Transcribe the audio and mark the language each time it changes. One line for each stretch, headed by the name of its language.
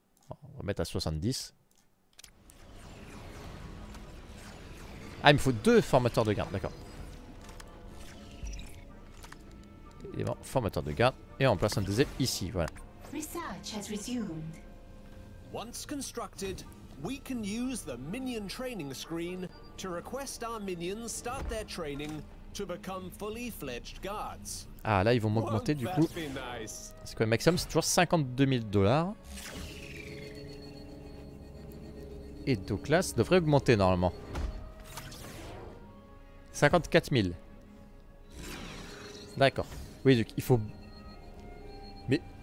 French: On va mettre à 70. Ah, il me faut deux formateurs de garde, d'accord. Et bon, formateur de garde. Et on place un deuxième ici, voilà.
English: Research has resumed. Once constructed, we can use the minion training screen to request our minions start their training to become fully fledged guards.
French: Ah, là, ils vont m'augmenter du coup.
English: Nice.
French: C'est quoi le maximum? C'est toujours 52 000 $. Et donc là, ça devrait augmenter normalement. 54 000. D'accord. Oui, donc il faut... Mais...